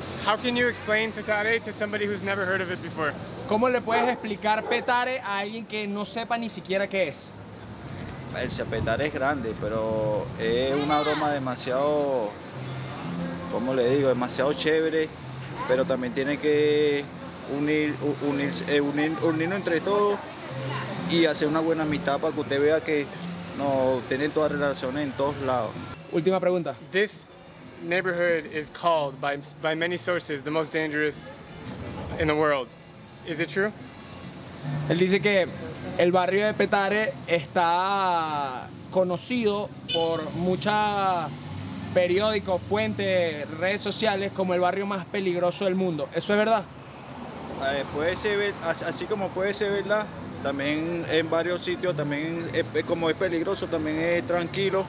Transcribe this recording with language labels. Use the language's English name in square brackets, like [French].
[English] How can you explain Petare to somebody who's never heard of it before? [Spanish] ¿Cómo le puedes explicar Petare a alguien que no sepa ni siquiera qué es? El Petare es grande, pero es una broma demasiado, ¿cómo le digo? Demasiado chévere, pero también tiene que unirnos entre todos y hacer una buena amistad para que usted vea que no tienen todas relaciones en todos lados. Última pregunta. [English] This neighborhood is called by many sources the most dangerous in the world. Is it true? [Spanish] Él dice que el barrio de Petare está conocido por muchas periódicos, fuentes, redes sociales como el barrio más peligroso del mundo. ¿Eso es verdad? Puede ser, así como puede ser verdad, también en varios sitios, también como es peligroso, también es tranquilo.